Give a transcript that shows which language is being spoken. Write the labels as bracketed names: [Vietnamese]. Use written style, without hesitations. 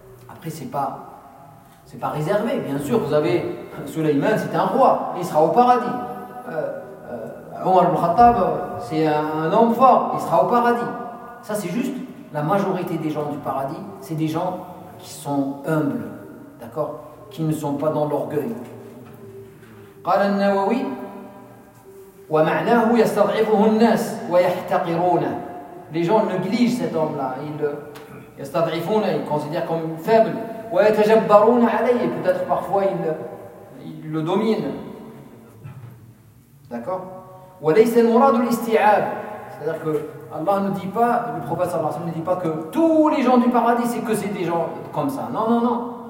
[French] Après, c'est pas réservé, bien sûr. Vous avez Sulaiman, c'est un roi, il sera au paradis. Omar ibn Khattab, c'est un homme fort, il sera au paradis. Ça, c'est juste la majorité des gens du paradis, c'est des gens qui sont humbles, d'accord? Qui ne sont pas dans l'orgueil. [Arabic] قال النووي ومعناه يستضعفه الناس ويحتقرونه. [French] Les gens négligent cet homme-là, ils considèrent comme faible. [Arabic] ويتجبرون عليه, [French] peut-être parfois ils le dominent. [Arabic] D'accord? وليس المراد الاستيعاب. [French] C'est-à-dire que Allah ne dit pas, le prophète sallallahu alayhi wa sallam ne dit pas que tous les gens du paradis, c'est que c'est des gens comme ça. Non, non, non.